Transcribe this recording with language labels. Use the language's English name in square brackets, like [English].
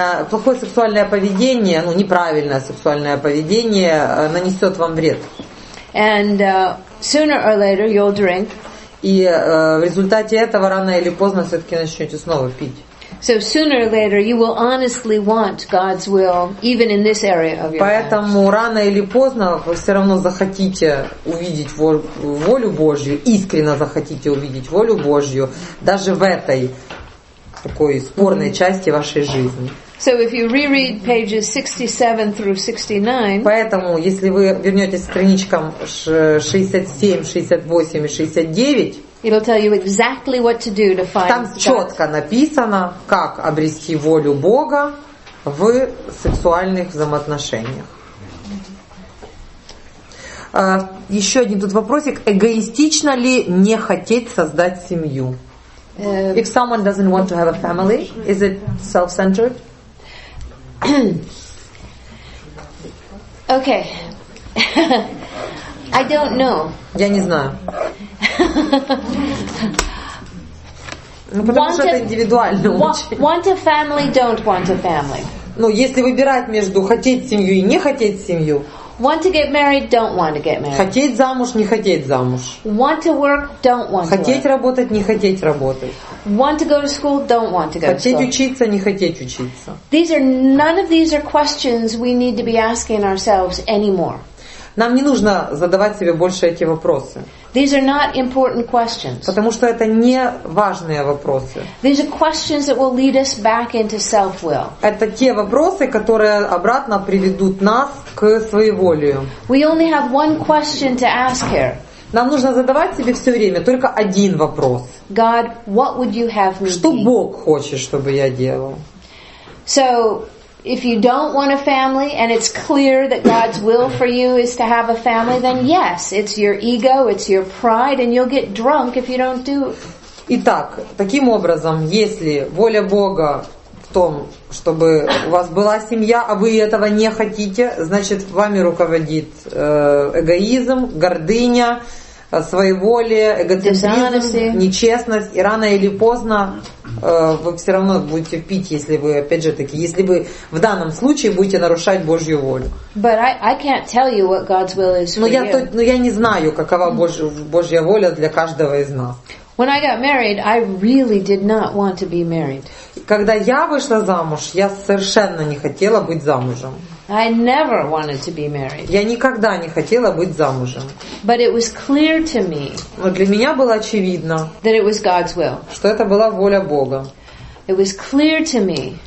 [Russian] Плохое сексуальное поведение, ну неправильное сексуальное поведение нанесет вам вред. [English] And sooner or later you'll drink. [Russian] И в результате этого рано или поздно все-таки начнете снова пить. [English] So sooner or later you will honestly want God's will even in this area of your life. [Russian] Поэтому рано или поздно вы все равно захотите увидеть волю Божью, искренне захотите увидеть волю Божью даже в этой такой спорной части вашей жизни. [English] So if you reread pages 67 through 69, [Russian] поэтому если вы вернетесь к страничкам 67, 68 и 69, [English] it'll tell you exactly what to do to find. [Russian] Там четко написано, как обрести волю Бога в сексуальных взаимоотношениях. Еще один тут вопросик: эгоистично ли не хотеть создать семью? [English] If someone doesn't want to have a family, is it self-centered? Okay, I don't know. [Russian] Я не знаю. Ну, потому что это индивидуально. [English] Want a family, don't want a family. [Russian] Ну, если выбирать между хотеть семью и не хотеть семью. [English] Want to get married, don't want to get married. [Russian] Хотеть замуж, не хотеть замуж. [English] Want to work, don't want to. [Russian] Хотеть работать, не хотеть работать. [English] Want to go to school, don't want to go to school. [Russian] Хотеть учиться, не хотеть учиться. [English] These are none of these are questions we need to be asking ourselves anymore. [Russian] Нам не нужно задавать себе больше эти вопросы. [English] These are not important questions. [Russian] Потому что это не важные вопросы. [English] These are questions that will lead us back into self-will. [Russian] Это те вопросы, которые обратно приведут нас к своеволию. [English] We only have one question to ask here. [Russian] Нам нужно задавать себе все время только один вопрос. [English] God, what would you have me? [Russian] Что Бог хочет, чтобы я делал? [English] So, if you don't want a family and it's clear that God's will for you is to have a family, then yes, it's your ego, it's your pride, and you'll get drunk if you don't do it. [Russian] Итак, таким образом, если воля Бога в том, чтобы у вас была семья, а вы этого не хотите, значит, вами руководит эгоизм, гордыня, своеволие, эгоцентризм, нечестность, и рано или поздно вы все равно будете пить, если вы, опять же таки, если вы в данном случае будете нарушать Божью волю. [English] But I can't tell you what God's will is for you. [Russian] Но я не знаю, какова Божья воля для каждого из нас. [English] When I got married, I really did not want to be married. [Russian] Когда я вышла замуж, я совершенно не хотела быть замужем. [English] I never wanted to be married. [Russian] Я никогда не хотела быть замужем. [English] But it was clear to me. [Russian] Но для меня было очевидно. [English] That it was God's will. [Russian] Что это была воля Бога. [English] It was clear to me.